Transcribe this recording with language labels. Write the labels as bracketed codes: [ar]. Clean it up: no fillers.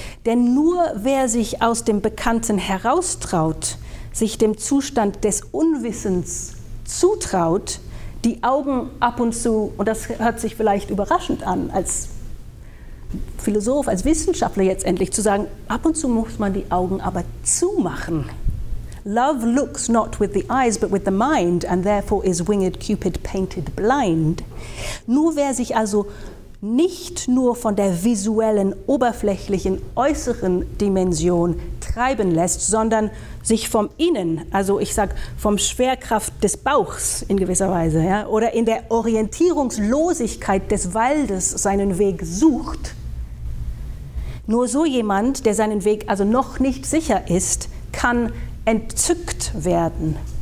[de] Denn nur wer sich aus dem Bekannten heraustraut, sich dem Zustand des Unwissens zutraut, die Augen ab und zu, und das hört sich vielleicht überraschend an, als Philosoph, als Wissenschaftler jetzt endlich zu sagen, ab und zu muss man die Augen aber zumachen. [en] Love looks not with the eyes, but with the mind, and therefore is winged Cupid painted blind. [de] Nur wer sich also nicht nur von der visuellen, oberflächlichen, äußeren Dimension treiben lässt, sondern sich vom Innen, also ich sag vom Schwerkraft des Bauchs in gewisser Weise, ja, oder in der Orientierungslosigkeit des Waldes seinen Weg sucht, nur so jemand, der seinen Weg also noch nicht sicher ist, kann entzückt werden.